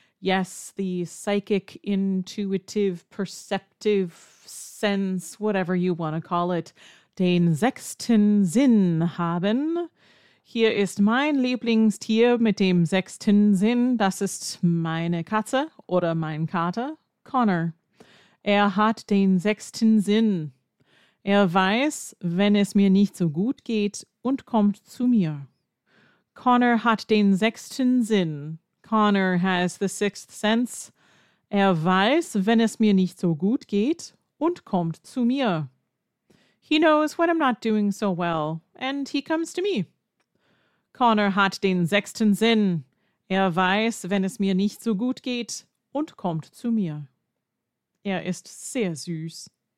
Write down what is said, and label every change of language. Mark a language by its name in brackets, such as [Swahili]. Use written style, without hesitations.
[English] Yes, the psychic, intuitive, perceptive sense, whatever you want to call it. [German] Den sechsten Sinn haben. Hier ist mein Lieblingstier mit dem sechsten Sinn. Das ist meine Katze oder mein Kater, Connor. Er hat den sechsten Sinn. Er weiß, wenn es mir nicht so gut geht und kommt zu mir. Connor hat den sechsten Sinn. [English] Connor has the sixth sense. [German] Er weiß, wenn es mir nicht so gut geht und kommt zu mir. [English] He knows when I'm not doing so well, and he comes to me. [German] Connor hat den sechsten Sinn. Er weiß, wenn es mir nicht so gut geht und kommt zu mir. Ist sehr süß.